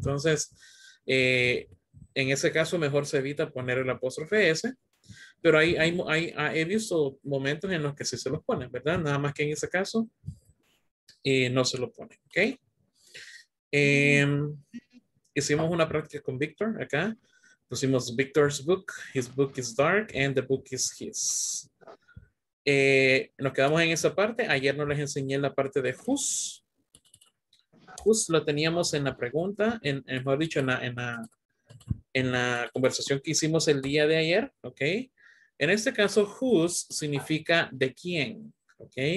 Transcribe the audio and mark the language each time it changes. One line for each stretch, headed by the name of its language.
Spanish: Entonces, en ese caso, mejor se evita poner el apóstrofe S. Pero he visto momentos en los que sí se los ponen, ¿verdad? Nada más que en ese caso no se lo ponen, ¿ok? Hicimos una práctica con Victor acá. Pusimos Victor's book.
English: His book is dark and the book is his.
Spanish: Nos quedamos en esa parte. Ayer no les enseñé la parte de whose. Whose lo teníamos en la pregunta, en la conversación que hicimos el día de ayer, ¿ok? En este caso, whose significa de quién, ¿ok?